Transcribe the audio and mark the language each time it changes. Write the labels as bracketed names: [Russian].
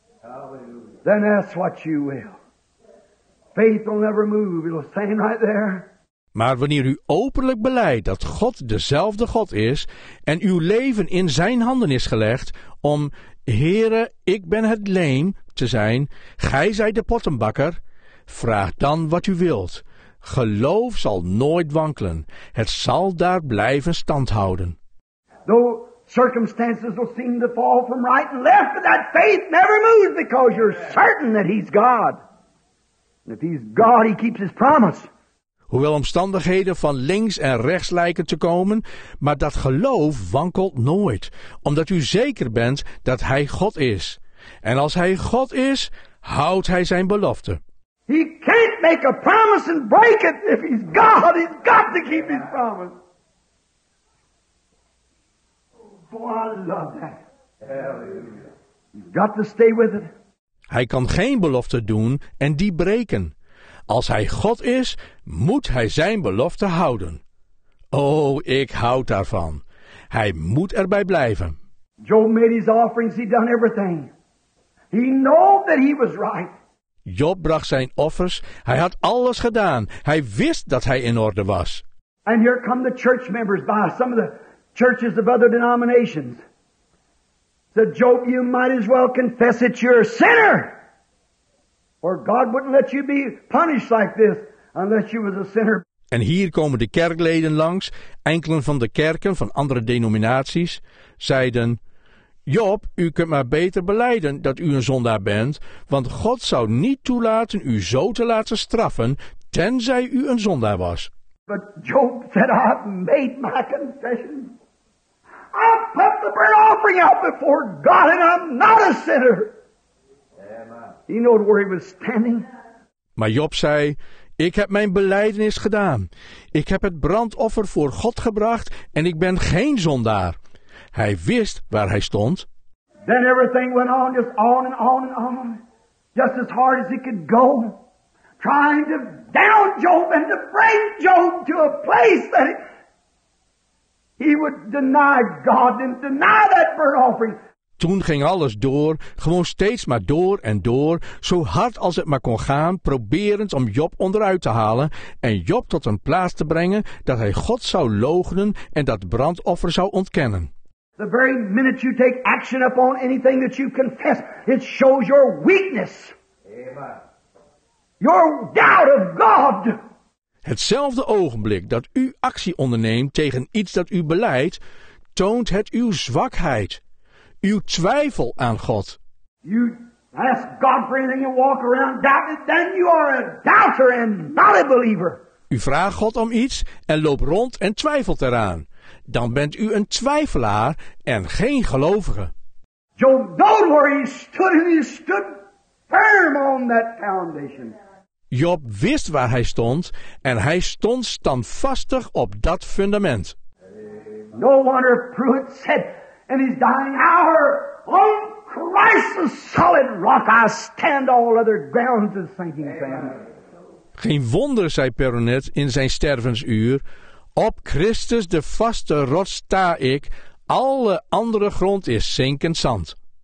[English] hallelujah, then that's what you will. Faith will never move. It'll stand right there. [Dutch] Maar wanneer u openlijk beleidt dat God dezelfde God is en uw leven in zijn handen is gelegd om, Heere, ik ben het leem, te zijn, gij zijt de pottenbakker, vraag dan wat u wilt. Geloof zal nooit wankelen. Het zal daar blijven stand houden. [English] Though circumstances will seem to fall from right and left, but that faith never moves because you're certain that he's God. And if he's God, he keeps his promise. [Dutch] Hoewel omstandigheden van links en rechts lijken te komen, maar dat geloof wankelt nooit, omdat u zeker bent dat hij God is. En als hij God is, houdt hij zijn belofte. [English] He can't make a promise and break it. If he's God, he's got to keep his promise. Boy, I love that. Hallelujah. He's got to stay with it. [Dutch] Hij kan geen belofte doen en die breken. Als hij God is, moet hij zijn belofte houden. Oh, ik houd daarvan. Hij moet erbij blijven. [English] Job made his offerings, he done everything. He knew that he was right. [Dutch] Job bracht zijn offers, hij had alles gedaan. Hij wist dat hij in orde was. [English] And here come the church members by some of the churches of other denominations. Said, Job, you might as well confess that you're a sinner. Or God wouldn't let you be punished like this unless you were a sinner. [Dutch] En hier komen de kerkleden langs, enkelen van de kerken van andere denominaties, zeiden, Job, u kunt maar beter belijden dat u een zondaar bent, want God zou niet toelaten u zo te laten straffen, tenzij u een zondaar was. [English] But Job said, I've made my confession. I put the burnt offering out before God and I'm not a sinner. He knew where he was standing. [Dutch] Maar Job zei, ik heb mijn belijdenis gedaan. Ik heb het brandoffer voor God gebracht en ik ben geen zondaar. Hij wist waar hij stond. [English] Then everything went on, just on and on and on. Just as hard as it could go. Trying to down Job and to bring Job to a place that he would deny God and deny that burnt offering. [Dutch] Toen ging alles door, gewoon steeds maar door en door, zo hard als het maar kon gaan, proberend om Job onderuit te halen en Job tot een plaats te brengen dat hij God zou loochenen en dat brandoffer zou ontkennen. [English] The very minute you take action upon anything that you confess, it shows your weakness. Amen. Your doubt of God. [Dutch] Hetzelfde ogenblik dat u actie onderneemt tegen iets dat u belijdt, toont het uw zwakheid. Uw twijfel aan God. [English] You ask God for anything, you walk around doubting, then you are a doubter and not a believer. [Dutch] U vraagt God om iets en loopt rond en twijfelt eraan. Dan bent u een twijfelaar en geen gelovige. [English] Job knew where he stood and he stood firm on that foundation. [Dutch] Job wist waar hij stond en hij stond standvastig op dat fundament. [English] No wonder Pruitt said in his dying hour, on Christ's solid rock I stand, all other grounds is sinking sand. [Dutch] Geen wonder, zei Peronet in zijn stervensuur, op Christus de vaste rots sta ik, alle andere grond is zinkend zand.